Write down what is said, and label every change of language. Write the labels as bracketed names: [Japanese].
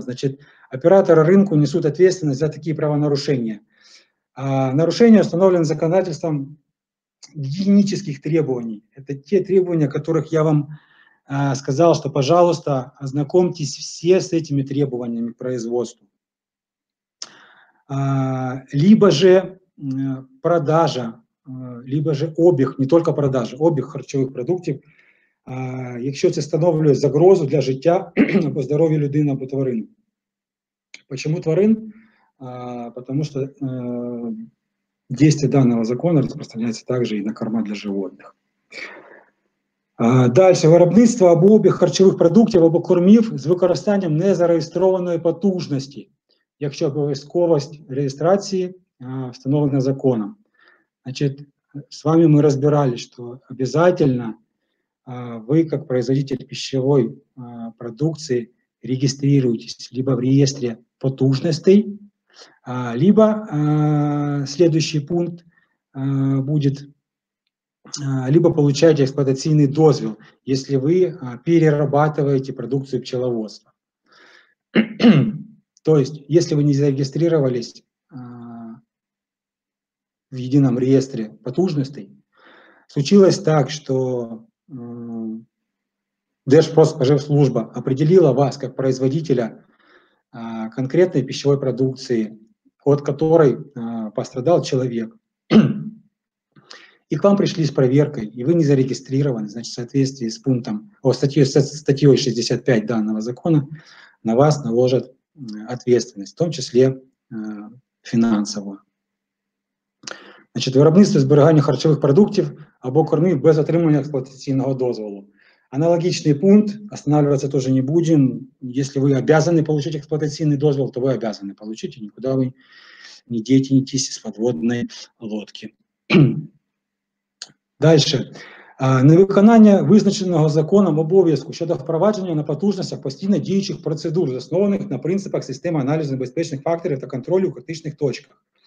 [Russian] Значит, операторы рынку несут ответственность за такие правонарушения. Нарушения установлены законодательством гигиенических требований. Это те требования, о которых я вам сказал, что, пожалуйста, ознакомьтесь все с этими требованиями к производству. Либо же продажа, либо же обег, не только продажа, [Ukrainian] обег харчовых продуктов, якщо це становлює загрозу для життя або здоров'я людини або тварини. [Russian] Почему тварин? Потому что действие данного закона распространяется также и на корма для животных. Дальше. [Ukrainian] Виробництво або обіг харчових продуктів або кормів з використанням незареєстрованої потужності. якщо обов'язковість реєстрації встановлена законом. Значить, з вами ми розбирали, що обов'язково ви, [Russian] як производитель пищевой продукції, регистрируєтесь либо в реєстрі потужностей, либо следующий пункт буде, либо получаете эксплуатационный дозвіл, если вы перерабатываете продукцию пчеловодства. То есть, если вы не зарегистрировались в едином реестре потужностей, случилось так, что Держпродспоживслужба определила вас как производителя конкретной пищевой продукции, от которой пострадал человек. И к вам пришли с проверкой, и вы не зарегистрированы, значит, в соответствии с пунктом, о, статьей 65 данного закона, на вас наложат ответственность, в том числе финансовую. [Ukrainian] Значит, виробництво зберігання харчових продуктів або кормів без отримання експлуатаційного дозволу. [Russian] Аналогичный пункт, останавливаться тоже не будем. Если вы обязаны получить эксплуатационный дозвол, то вы обязаны получить, и никуда вы не денетесь из подводной лодки. Дальше. [Ukrainian] Невиконання визначеного законом обов'язку щодо впровадження на потужностях постійно діючих процедур, заснованих на принципах системи аналізу небезпечних факторів та контролю у критичних точках.